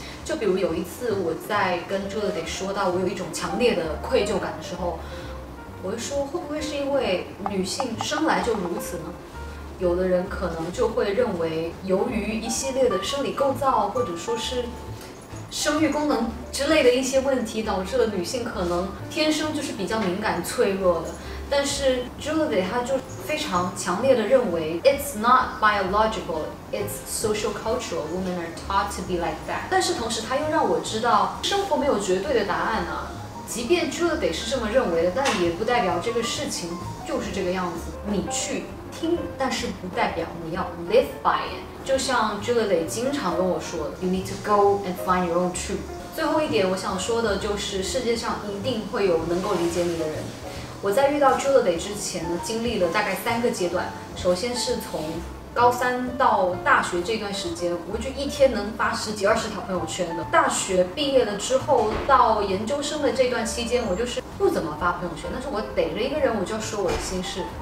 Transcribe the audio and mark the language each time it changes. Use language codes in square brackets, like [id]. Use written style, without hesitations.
[zh] 就比如有一次我在跟 Julie 说到我有一种强烈的愧疚感的时候，我会说会不会是因为女性生来就如此呢？有的人可能就会认为由于一系列的生理构造或者说是生育功能之类的一些问题，导致了女性可能天生就是比较敏感脆弱的。但是 Julie 她就非常强烈的认为 [en] It's not biological, it's social cultural, women are taught to be like that. [zh] 但是同时她又让我知道生活没有绝对的答案啊，即便 Julie 是这么认为的，但也不代表这个事情就是这个样子。你去听，但是不代表你要 [en] live by it。 [zh] 就像 Julie 经常跟我说 [en] You need to go and find your own truth。 [zh] 最后一点我想说的就是，世界上一定会有能够理解你的人。我在遇到 Julie 之前呢，经历了大概三个阶段。首先是从高三到大学这段时间，我就一天能发十几二十条朋友圈的。大学毕业了之后到研究生的这段期间，我就是不怎么发朋友圈，但是我逮着一个人我就说我的心事。